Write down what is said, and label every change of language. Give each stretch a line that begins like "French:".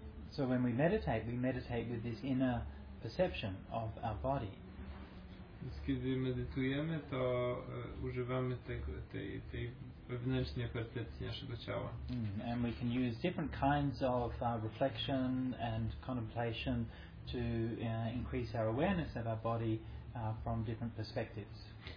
English: So when we meditate with this inner perception of our body.
Polish: Więc kiedy medytujemy, to używamy tej wewnętrznej percepcji naszego ciała.
English: And we can use different kinds of reflection and contemplation to increase our awareness of our body from different perspectives.